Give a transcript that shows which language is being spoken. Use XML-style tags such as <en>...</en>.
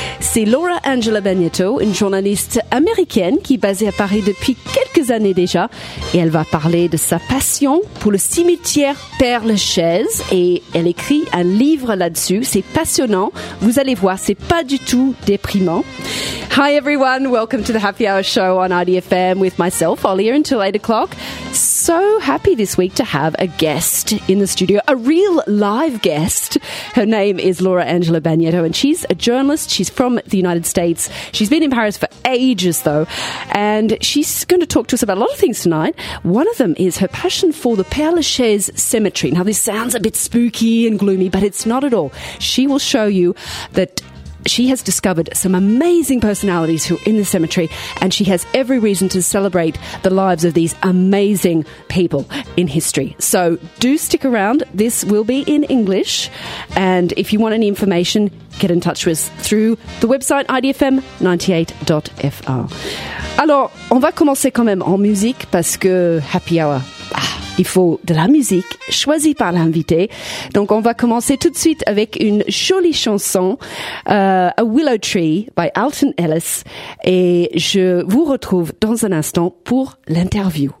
<fr>C'est Laura Angela Bagnetto, une journaliste américaine qui est basée à Paris depuis quelques années déjà. Et elle va parler de sa passion pour le cimetière Père Lachaise. Et elle écrit un livre là-dessus. C'est passionnant. Vous allez voir, c'est pas du tout déprimant.</fr> <en>Hi everyone, welcome to the Happy Hour Show on RDFM with myself, Olia, until 8 o'clock. So happy this week to have a guest in the studio, a real live guest. Her name is Laura Angela Bagnetto and she's a journalist. She's from the United States. She's been in Paris for ages though. And she's going to talk to us about a lot of things tonight. One of them is her passion for the Père Lachaise Cemetery. Now this sounds a bit spooky and gloomy, but it's not at all. She will show you that she has discovered some amazing personalities who are in the cemetery, and she has every reason to celebrate the lives of these amazing people in history. So do stick around. This will be in English. And if you want any information, get in touch with us through the website idfm98.fr.</en> <fr>Alors, on va commencer quand même en musique parce que happy hour. Il faut de la musique choisie par l'invité. Donc, on va commencer tout de suite avec une jolie chanson, A Willow Tree by Alton Ellis. Et je vous retrouve dans un instant pour l'interview.</fr>